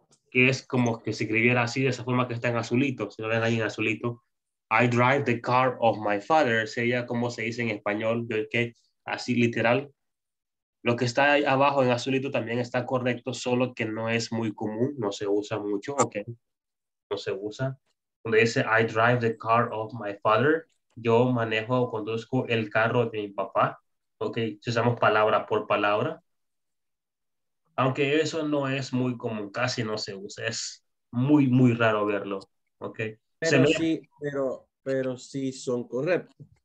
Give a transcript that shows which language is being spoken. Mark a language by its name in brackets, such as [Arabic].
[Spanish] Que es como que se escribiera así, de esa forma que está en azulito. Si lo ven ahí en azulito. [English] I drive the car of my father. [Spanish] Sería como se dice en español. ¿Okay? Así literal. Lo que está ahí abajo en azulito también está correcto, solo que no es muy común. No se usa mucho. ¿Ok? No se usa. Cuando dice [English] I drive the car of my father. [Spanish] Yo manejo o conduzco el carro de mi papá. Ok, usamos palabra por palabra. Aunque eso no es muy común, casi no se usa. Es muy, muy raro verlo. Ok. Pero sí son correctos.